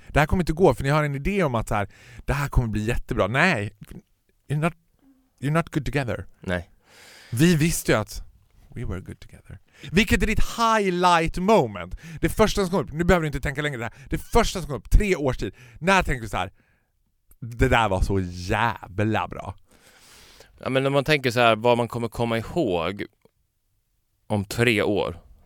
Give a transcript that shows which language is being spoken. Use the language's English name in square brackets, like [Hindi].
[Swedish] Det här kommer inte gå, för ni har en idé om att så här, det här kommer bli jättebra. [English] Nej, you're not good together. [Swedish] Nej. Vi visste ju att [English] we were good together. [Swedish] Vilket är ditt highlight moment? Det första som kom upp, nu behöver du inte tänka längre det här. Det första som kom upp, 3 års tid. När tänker du så här, det där var så jävla bra? Ja, men när man tänker så här, vad man kommer komma ihåg om 3 år.